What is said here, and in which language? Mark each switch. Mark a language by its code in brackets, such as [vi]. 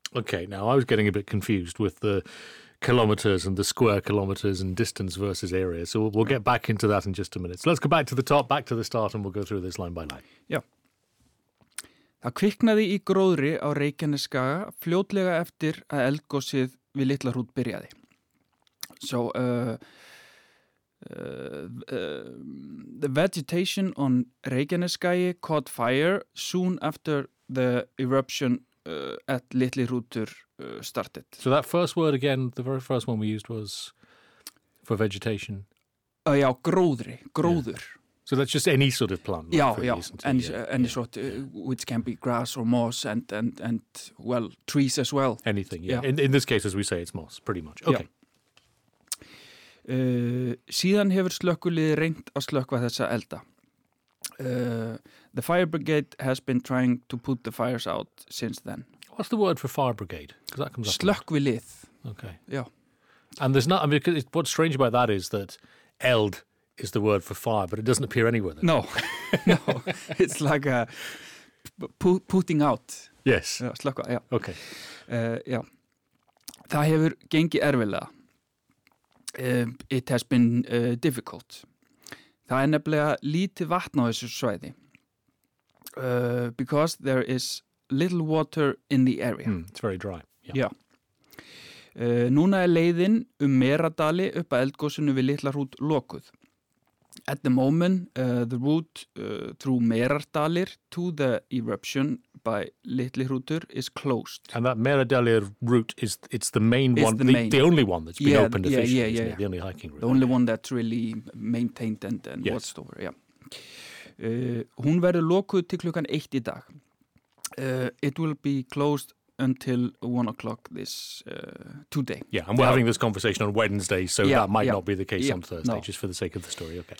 [en] Okay, now I was getting a bit confused with the kilometers and the square kilometers and distance versus area. So we'll get back into that in just a minute. So let's go back to the top, back to the start and we'll go through this line by line. [is] Já. Það kviknaði í gróðri á Reykjanesskaga fljótlega eftir að eldgosið við Litla Hrút byrjaði. [en] So the vegetation on Reykjanesskagi caught fire soon after the eruption at Litli Hrútur started. So that first word again, the very first one we used was for vegetation. [is] Já, gróðri, gróður. [en] Yeah. So that's just any sort of plant. Like, which can be grass or moss and well, trees as well. Anything, yeah. In this case, as we say, it's moss, pretty much. Okay. Yeah. [is] Síðan hefur slökkviliðið reynt að slökkva þessa elda. [en] The fire brigade has been trying to put the fires out since then. What's the word for fire brigade? Because that comes up. [is] Slökkvilið. [en] Okay. Yeah. And there's not. I mean, because what's strange about that is that eld is the word for fire, but it doesn't appear anywhere. No. No. It's like a putting out. Yes. [is] Slökkva. [en] Yeah. Okay. Yeah. [is] Það hefur gengið erfilega. [en] It has been difficult. [is] Það nefnilega lítið vatn á þessu svæði. [en] Because there is little water in the area. It's very dry. Yeah. Yeah. [is] Núna leiðin Meradali upp að eldgosinu við Litla Hrút lokuð. [en] At the moment, the route through Merardalir to the eruption by Litli Hrútur is closed. And that Merardalir route, it's the main it's one, the only one that's been opened officially, isn't it? The only hiking route. The only one that's really maintained and watched over, yeah. [is] Hún verður lokuð til klukkan 1 í dag. [en] It will be closed until 1 o'clock this today. Yeah, and we're having this conversation on Wednesday, so that might not be the case on Thursday, just for the sake of the story, okay.